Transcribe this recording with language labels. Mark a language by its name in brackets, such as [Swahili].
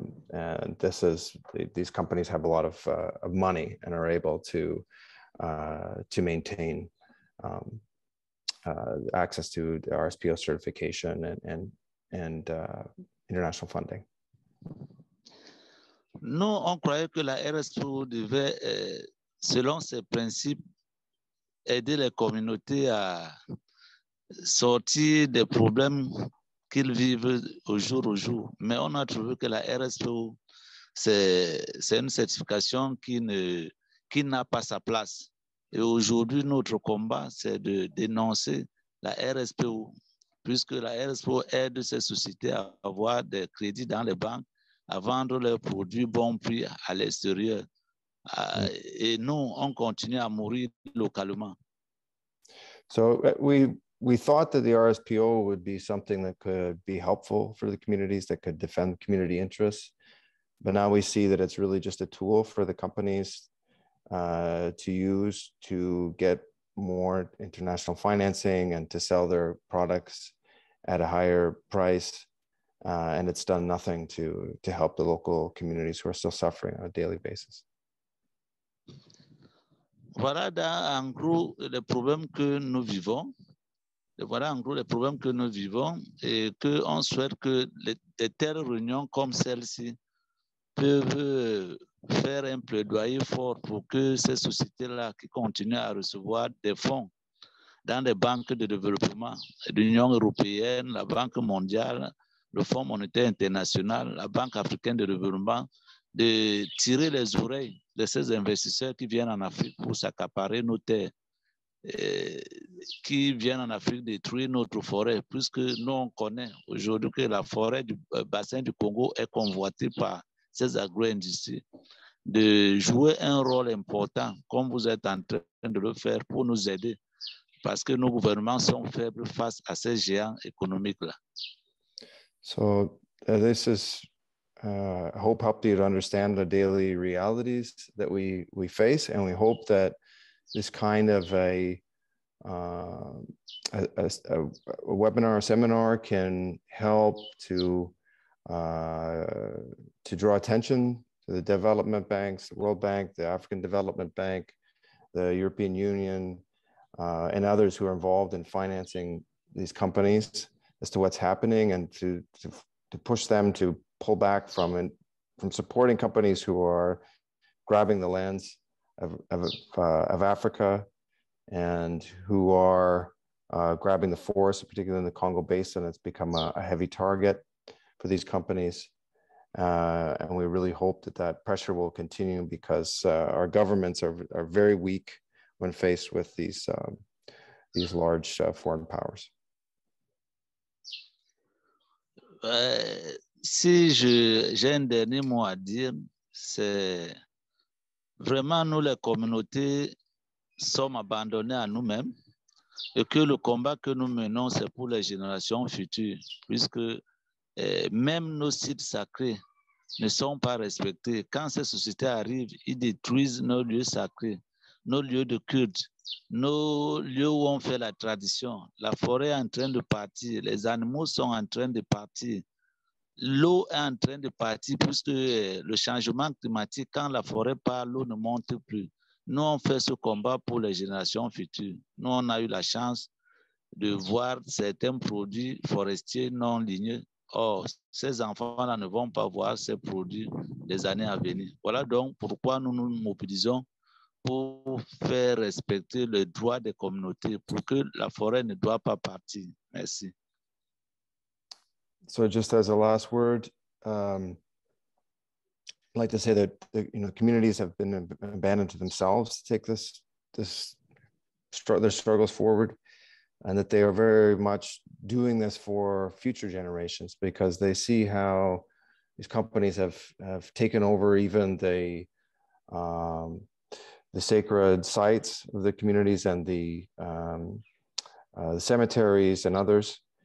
[English] And this is, these companies have a lot of money and are able to maintain access to the RSPO certification and international funding. [French] Nous, on croyait que la RSPO devait, selon ses principes, aider les communautés à sortir des problèmes qu'ils vivent au jour. Mais on a trouvé que la RSPO, c'est une certification qui n'a pas sa place. Et aujourd'hui, notre combat, c'est de dénoncer la RSPO, puisque la RSPO aide ces sociétés à avoir des crédits dans les banques, à vendre leurs produits bon prix à l'extérieur. Et nous, on continue à mourir localement. [English] So we thought that the RSPO would be something that could be helpful for the communities, that could defend community interests. But now we see that it's really just a tool for the companies to use to get more international financing and to sell their products at a higher price. And it's done nothing to help the local communities who are still suffering on a daily basis. [French] Voilà en gros les problèmes que nous vivons. Voilà en gros les problèmes que nous vivons et que on souhaite que des telles réunions comme celle-ci peuvent faire un plaidoyer fort pour que ces sociétés-là qui continuent à recevoir des fonds dans les banques de développement, l'Union européenne, la Banque mondiale, le Fonds monétaire international, la Banque africaine de développement, de tirer les oreilles de ces investisseurs qui viennent en Afrique pour s'accaparer nos terres, qui viennent en Afrique détruire notre forêt, puisque nous, on connaît aujourd'hui que la forêt du bassin du Congo est convoitée par ces agro-industries, de jouer un rôle important, comme vous êtes en train de le faire, pour nous aider. Parce que nos gouvernements sont faibles face à ces géants économiques-là. [English] So this is, I hope, helped you to understand the daily realities that we face. And we hope that this kind of a webinar or seminar can help to draw attention to the development banks, the World Bank, the African Development Bank, the European Union, and others who are involved in financing these companies as to what's happening, and to push them to pull back from supporting companies who are grabbing the lands of Africa and who are grabbing the forests, particularly in the Congo Basin. It's become a heavy target for these companies. And we really hope that pressure will continue, because our governments are very weak when faced with these large foreign powers. [French] Si j'ai un dernier mot à dire, c'est vraiment nous, les communautés, sommes abandonnés à nous-mêmes, et que le combat que nous menons, c'est pour les générations futures, puisque même nos sites sacrés ne sont pas respectés. Quand ces sociétés arrivent, ils détruisent nos lieux sacrés, nos lieux de culte, nos lieux où on fait la tradition. La forêt est en train de partir, les animaux sont en train de partir. l'eau est en train de partir puisque le changement climatique, quand la forêt part, l'eau ne monte plus. Nous, on fait ce combat pour les générations futures. Nous, on a eu la chance de voir certains produits forestiers non ligneux. Or, ces enfants-là ne vont pas voir ces produits les années à venir. Voilà donc pourquoi nous nous mobilisons pour faire respecter les droits des communautés, pour que la forêt ne doit pas partir. Merci. [English] So just as a last word, I'd like to say that the, you know, communities have been abandoned to themselves to take their struggles forward, and that they are very much doing this for future generations because they see how these companies have taken over even the sacred sites of the communities and the cemeteries and others.